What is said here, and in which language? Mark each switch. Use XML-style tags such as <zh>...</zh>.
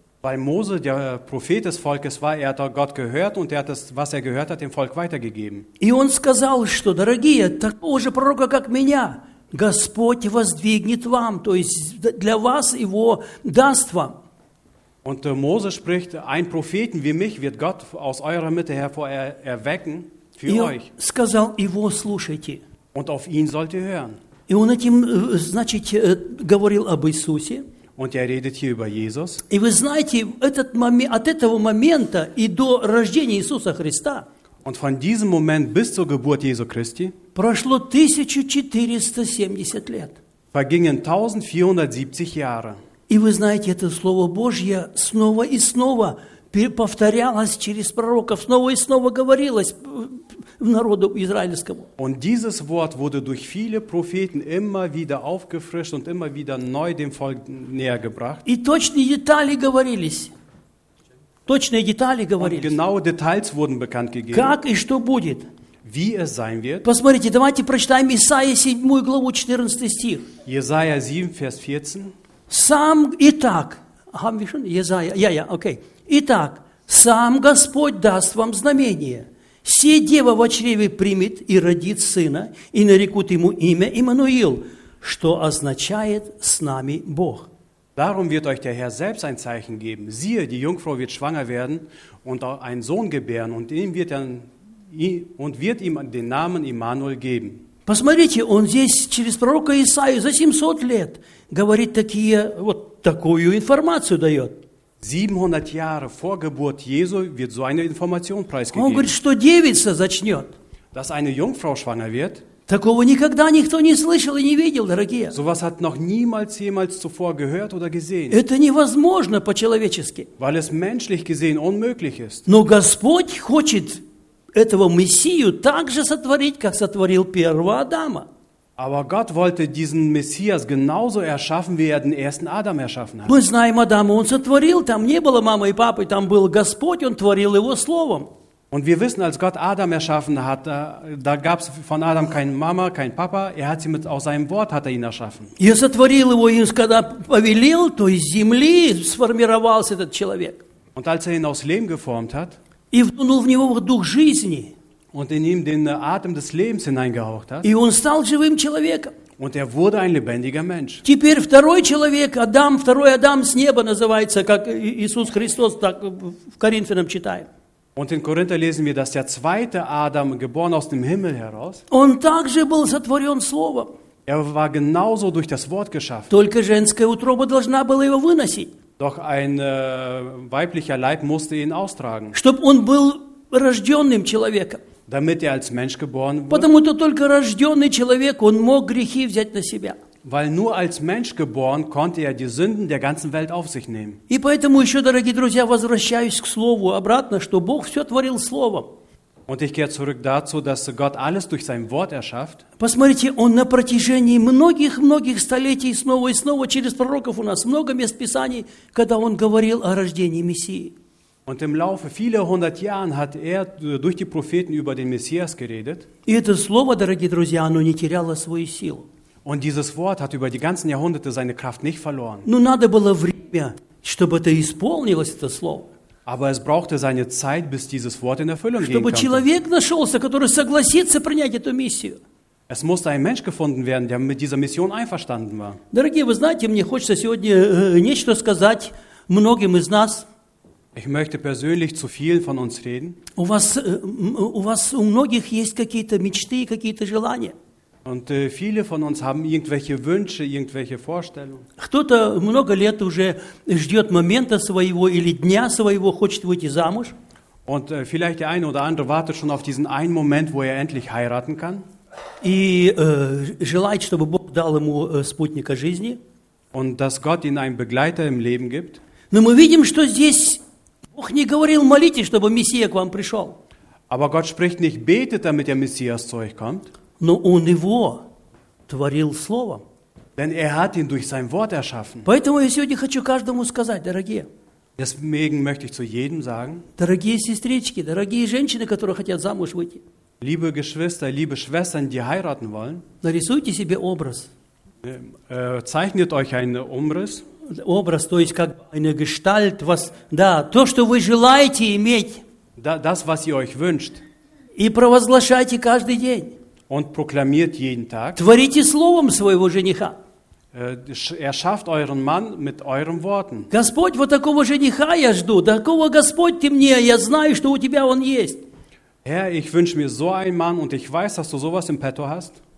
<de>Weil Mose der Prophet des Volkes war, er hat Gott gehört und er hat das, was er gehört hat, dem Volk weitergegeben.</de> <ru>И он сказал, что, дорогие, такого же пророка, как меня, Господь воздвигнет вам, то есть для вас его даст вам.</ru> <de>Und Mose spricht, ein Propheten wie mich wird Gott aus eurer Mitte hervor erwecken für euch.</de> <ru>И он сказал, его слушайте.</ru> <de>Und auf ihn sollt ihr hören.</de> <ru>И он этим, значит, говорил об Иисусе.</ru> <de>Und er redet hier über Jesus.</de> <ru>И вы знаете, этот момент, от этого момента и до рождения Иисуса Христа.</ru> <de>Und von diesem Moment bis zur Geburt Jesu Christi.</de> <ru>Прошло 1470 лет.</ru> <de>Vergingen 1470 Jahre.</de> <ru>И вы знаете, это слово Божье снова и снова повторялось через пророков, снова и снова говорилось, народу израильскому.</ru> <de>Und dieses Wort wurde durch viele Propheten immer wieder aufgefrischt und immer wieder neu dem Volk näher gebracht.</de> <ru>И точные детали говорились. Точные детали говорились.</ru> <de>Und genaue Details wurden bekannt gegeben.</de> <ru>Как и что будет?</ru> <de>Wie es sein wird.</de> <ru>Посмотрите, давайте прочитаем Исаия 7 главу 14 стих.</ru> <de>Jesaja 7 Vers 14.</de> <ru>Сам и так.</ru> <de>Haben wir schon? Jesaja. Ja, ja, okay.</de> <ru>Итак, сам Господь даст вам знамение. Все дева в чреве примет и родит сына, и нарекут ему имя Иммануил, что означает «с нами Бог».</ru> <de>Darum wird euch der Herr selbst ein Zeichen geben. Siehe, die Jungfrau wird schwanger werden und auch einen Sohn gebären, und ihm wird dann, und wird ihm den Namen Immanuel geben.</de> <ru>Посмотрите, он здесь через пророка Исаию за 700 лет говорит такие, вот такую информацию дает.</ru> <de>700 Jahre vor Geburt Jesu wird so eine Information preisgegeben.</de> <ru>Он говорит, что девица зачнет.</ru> <de>Dass eine Jungfrau schwanger wird.</de> <ru>Такого никогда никто не слышал и не видел, дорогие.</ru> <de>Sowas hat noch niemals jemals zuvor gehört oder gesehen.</de> <ru>Это невозможно по-человечески.</ru> <de>Weil es menschlich gesehen unmöglich ist.</de> <ru>Но Господь хочет этого Мессию так же сотворить, как сотворил первого Адама.</ru> <de>Aber Gott wollte diesen Messias genauso erschaffen, wie er den ersten Adam erschaffen hat.</de> <ru>Мы знаем Адама, он сотворил, там не было мамы и папы, там был Господь, он творил его словом.</ru> <de>Und wir wissen, als Gott Adam erschaffen hat, da gab es von Adam keine Mama, kein Papa, er hat sie mit aus seinem Wort hat er ihn erschaffen.</de> <ru>Я сотворил его, когда повелел, то из земли сформировался этот человек.</ru> <de>Und als er ihn aus Lehm geformt hat,</de> <ru>и вдунул в него дух жизни.</ru> <de>Und in ihm den Atem des Lebens hineingehaucht hat.</de> <ru>И он стал живым человеком.</ru> <de>Und er wurde ein lebendiger Mensch.</de> <ru>Теперь второй человек, Адам, второй Адам с неба называется, как Иисус Христос так в Коринфянам читаем.</ru> <de>Und in Korinther lesen wir, dass der zweite Adam, geboren aus dem Himmel heraus,</de> <ru>он также был сотворен словом.</ru> <de>Er war genauso durch das Wort geschaffen.</de> <ru>Только женская утроба должна была его выносить.</ru> <de>Doch ein weiblicher Leib musste ihn austragen.</de> <ru>Чтоб он был рожденным человеком.</ru> <de>Damit er als Mensch geboren wurde.</de> <ru>Потому что только рожденный человек, он мог грехи взять на себя.</ru> <de>Weil nur als Mensch geboren konnte er die Sünden der ganzen Welt auf sich nehmen.</de> <ru>И поэтому еще, дорогие друзья, возвращаюсь к слову обратно, что Бог все творил словом.</ru> <de>Und ich gehe zurück dazu, dass Gott alles durch sein Wort erschafft.</de> <ru>Посмотрите, он на протяжении многих-многих столетий снова и снова через пророков у нас много мест Писаний, когда он говорил о рождении Мессии.</ru> <de>Und im Laufe vieler hundert Jahren hat er durch die Propheten über den Messias geredet.</de> <ru>И это слово, дорогие друзья, оно не теряло свою силу.</ru> <de>Und dieses Wort hat über die ganzen Jahrhunderte seine Kraft nicht verloren.</de> <ru>Но надо было время, чтобы это исполнилось, это слово.</ru> <de>Aber es brauchte seine Zeit, bis dieses Wort in Erfüllung gehen konnte.</de> <ru>Чтобы человек нашелся, который согласится принять эту миссию.</ru> <de>Es musste ein Mensch gefunden werden, der mit dieser Mission einverstanden war.</de> <ru>Дорогие, вы знаете, мне хочется сегодня нечто сказать многим из нас.</ru> <de>Ich möchte persönlich zu vielen von uns reden.</de> <ru>У вас у многих есть какие-то мечты, какие-то желания.</ru> <de>Und viele von uns haben irgendwelche Wünsche, irgendwelche Vorstellungen.</de> <ru>Кто-то много лет уже ждет момента своего или дня своего, хочет выйти замуж.</ru> <de>Und vielleicht der eine oder andere wartet schon auf diesen einen Moment, wo er endlich heiraten kann.</de> <ru>И желает, чтобы Бог дал ему спутника жизни.</ru> <de>Und dass Gott ihm einen Begleiter im Leben gibt.</de> <ru>Но мы видим, что здесь Бог не говорил, молитесь, чтобы Мессия к вам пришел.</ru> <de>Aber Gott spricht nicht, betet, damit der Messias zu euch kommt.</de> <ru>Но он его творил словом.</ru> <de>Denn er hat ihn durch sein Wort erschaffen.</de> <ru>Поэтому я сегодня хочу каждому сказать, дорогие.</ru> <de>Deswegen möchte ich zu jedem sagen.</de> <ru>Дорогие сестрички, дорогие женщины, которые хотят замуж выйти.</ru> <de>Liebe Geschwister, liebe Schwestern, die heiraten wollen.</de> <ru>Нарисуйте себе образ.</ru> <de>Zeichnet euch einen Umriss.</de> <ru>Образ, то есть как</ru> <de>eine Gestalt, was,</de> <ru>да, то, что вы желаете иметь.</ru> <de>Das, was ihr euch wünscht.</de> <ru>И провозглашайте каждый день.</ru> <de>Und proklamiert jeden Tag.</de> <ru>Творите словом своего жениха.</ru> <de>Erschafft euren Mann mit euren Worten.</de> <ru>Господь, вот такого жениха я жду. Такого Господь ты мне, я знаю, что у тебя он есть.</ru> <de>Herr, ich wünsche mir so einen Mann und ich weiß, dass du sowas im Petto hast.</de>